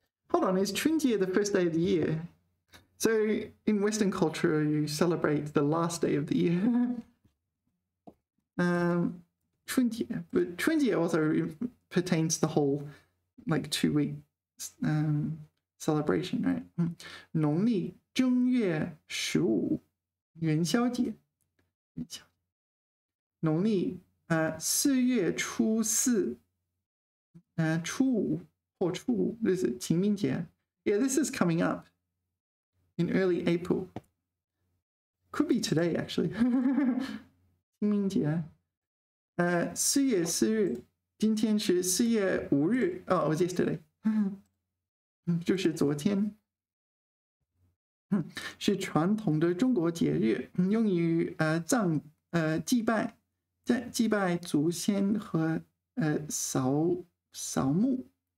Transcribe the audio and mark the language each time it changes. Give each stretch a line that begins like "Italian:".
English: Hold on, is 春节 the first day of the year? So in Western culture, you celebrate the last day of the year. 春节, but 春节 also pertains to the whole like 2 week celebration, right?
Chinese: 农历正月十五元宵节，元宵。农历四月初四，初五或初五，这是清明节。
English: Yeah, this is coming up in early April. Could be today, actually.
Chinese: 清明节，四月四日，今天是四月五日。
English: Oh, it was yesterday.
Chinese: 就是昨天。是传统的中国节日，用于祭拜，在祭拜祖先和扫墓。